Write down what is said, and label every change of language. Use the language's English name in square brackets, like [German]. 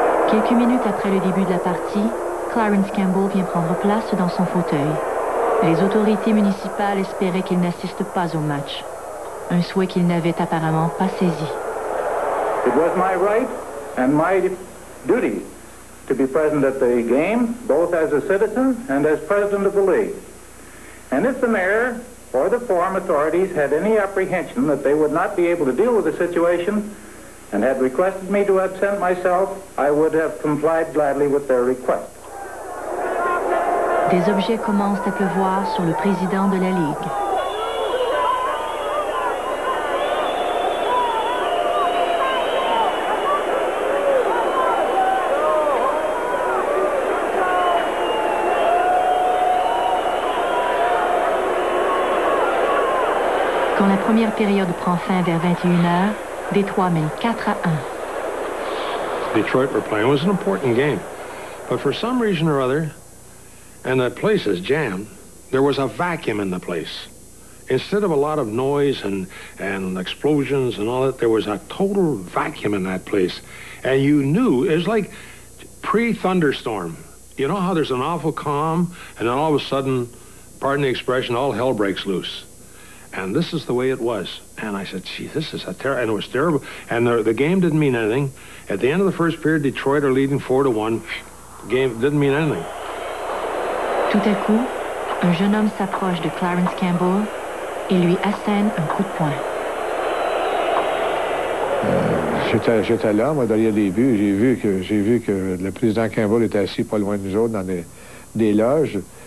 [French] Quelques minutes après le début de la partie, Clarence Campbell vient prendre place dans son fauteuil. Les autorités municipales espéraient qu'il n'assiste pas au match, un souhait qu'il n'avait apparemment pas saisi. [English] It was my right and my duty to be present at the game, both as a citizen and as president of the league. And if the mayor or the forum authorities had any apprehension that they would not be able to deal with the situation and had requested me to absent myself, I would have complied gladly with their request. [French] Des objets commencent à pleuvoir sur le président de la ligue. Première période prend fin vers 21h. Détroit mène 4-1. [English] Detroit were playing. It was an important game. But for some reason or other, and the place is jammed, there was a vacuum in the place. instead of a lot of noise and explosions and all that, there was a total vacuum in that place. And you knew, it was like pre-thunderstorm. You know how there's an awful calm, and then all of a sudden, pardon the expression, all hell breaks loose. And this is the way it was. And I said, gee, this is a terrible, and it was terrible. And the game didn't mean anything. At the end of the first period, Detroit are leading 4-1. Game didn't mean anything. [French] Tout à coup, un jeune homme s'approche de Clarence Campbell et lui assène un coup de poing. J'étais là, moi, derrière les buts. J'ai vu que le président Campbell était assis pas loin de nous autres dans des loges.